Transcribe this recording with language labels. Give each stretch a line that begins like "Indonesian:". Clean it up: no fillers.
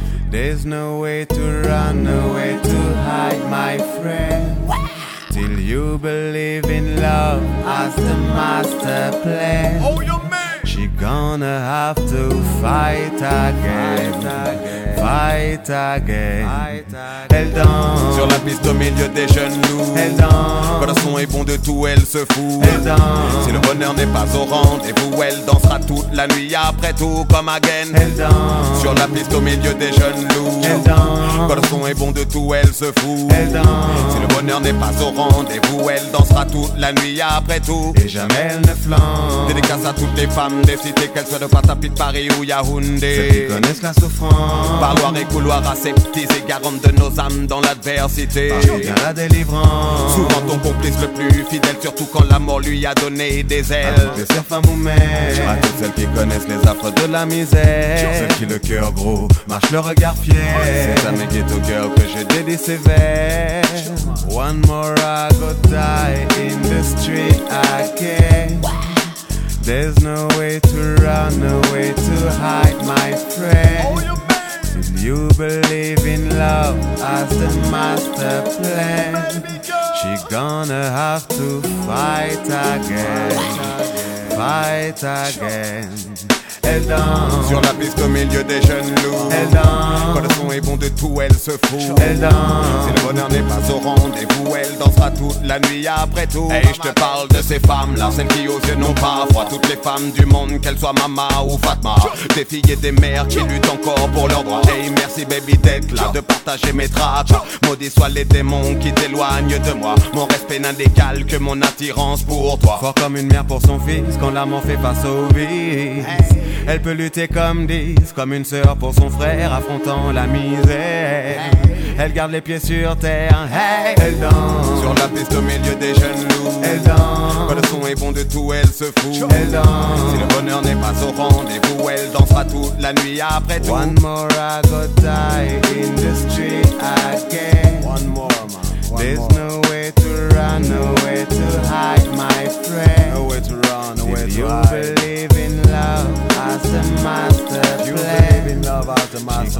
English: There's no way to run, no way to hide, my friend. Till you believe in love as the master plan. Oh, your man. She gonna have to fight again. Fight again. Fight again.
French: Elle danse sur la piste au milieu des jeunes loups. Elle danse. Corazon est bon de tout, elle se fout. Elle danse. Si le bonheur n'est pas au rendez-vous, elle dansera toute la nuit après tout comme again. Elle danse sur la piste au milieu des jeunes loups. Elle danse. Corazon est bon de tout, elle se fout. Elle danse. Si le bonheur n'est pas au rendez-vous, elle dansera toute la nuit après tout. Et jamais elle ne flanche. Dédicace à toutes les femmes des cités, qu'elles soient de Patapi, de Paris ou Yaoundé. Ceux qui connaissent la souffrance. Parloir et couloir aseptisé, garante de nos âmes dans l'adversité. Parjour bien la délivrance. Souvent ton complice le plus fidèle, surtout quand l'amour lui a donné des ailes. Je serre femme ou mère. À toutes celles qui connaissent les affres de la misère. Sur ceux qui le cœur gros, marche le regard fier. C'est à mes guettes au cœur que je dédie ces vers.
English: One more I go die in the street again. There's no way to run, no way to hide, my friend. You believe in love as the master plan. She gonna have to fight again. Fight again.
French: Elle danse sur la piste au milieu des jeunes loups. Elle danse. Quand le son est bon de tout, elle se fout. Elle danse. Si le bonheur n'est pas au rendez-vous, elle dansera toute la nuit après tout. Et je te parle de ces femmes-là, celles qui aux yeux n'ont pas froid. Toutes les femmes du monde, qu'elles soient Mama ou Fatma. Des filles et des mères qui luttent encore pour leurs droits. Hey, merci baby d'être là, de partager mes tracas. Maudits soient les démons qui t'éloignent de moi. Mon respect n'a d'égal que mon attirance pour toi. Fort comme une mère pour son fils, quand l'amour fait face au vice. Elle peut lutter comme 10, comme une sœur pour son frère, affrontant la misère. Elle garde les pieds sur terre, hey. Elle danse sur la piste au milieu des jeunes loups. Elle danse. Quand le son est bon de tout, elle se fout. Elle danse. Si le bonheur n'est pas au rendez-vous, elle dansera toute la nuit après tout.
English: One more I go die in the street again. One more, man. One There's more. No way to run, no way to hide, my friend. No way to run, no way If to you hide. Believe in love as a master plan. You believe in love as a master